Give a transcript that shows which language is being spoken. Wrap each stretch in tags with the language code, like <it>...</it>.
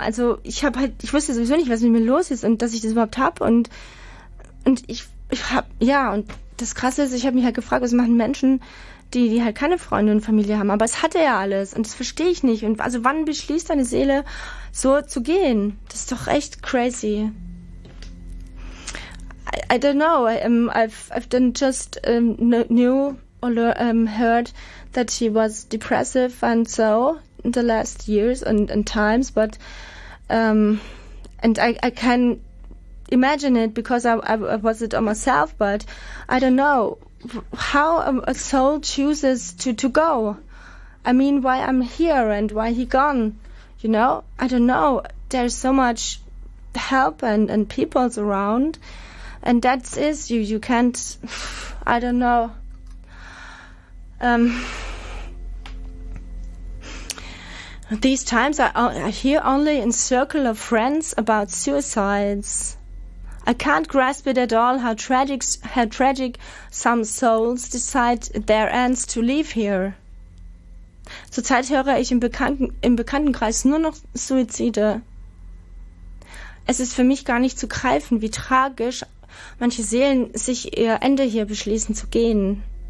<de>Also ich habe halt, ich wusste sowieso nicht, was mit mir los ist und dass ich das überhaupt habe. Und das Krasse ist, ich habe mich halt gefragt, was machen Menschen, die halt keine Freunde und Familie haben. Aber es hatte ja alles und das verstehe ich nicht. Und also wann beschließt deine Seele, so zu gehen? Das ist doch echt crazy.</de> <en>I don't know. I've then just knew or heard that he was depressive and so in the last years and times. But and I can imagine it because I was it on myself. But I don't know. How a soul chooses to go. I mean, why I'm here and why he gone, you know? I don't know. There's so much help and people's around. And that is, you can't, I don't know. These times I hear only in circle of friends about suicides. I can't grasp it at all how tragic some souls decide their ends to leave here.</en> <de>Zurzeit höre ich im Bekanntenkreis nur noch Suizide. Es ist für mich gar nicht zu greifen, wie tragisch manche Seelen sich ihr Ende hier beschließen zu gehen.</de>